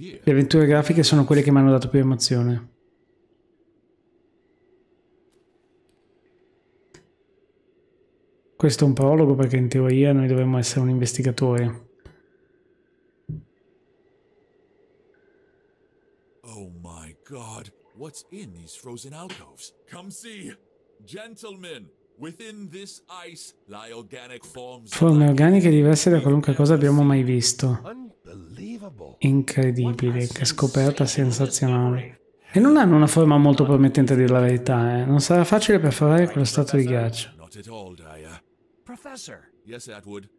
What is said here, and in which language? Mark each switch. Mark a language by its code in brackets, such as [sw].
[it] Le avventure grafiche sono quelle che mi hanno dato più emozione. Questo è un prologo perché in teoria noi dovremmo essere un investigatore. [en] God, what's in these frozen alcoves? Come see, gentlemen, within this ice lie organic forms. [it] Forme organiche diverse da qualunque cosa abbiamo mai visto. Incredibile, che scoperta sensazionale. E non hanno una forma molto promettente, a dire la verità, eh. Non sarà facile perforare quello strato di ghiaccio. [en] Not at all, Dyer. Professor. Yes, Atwood.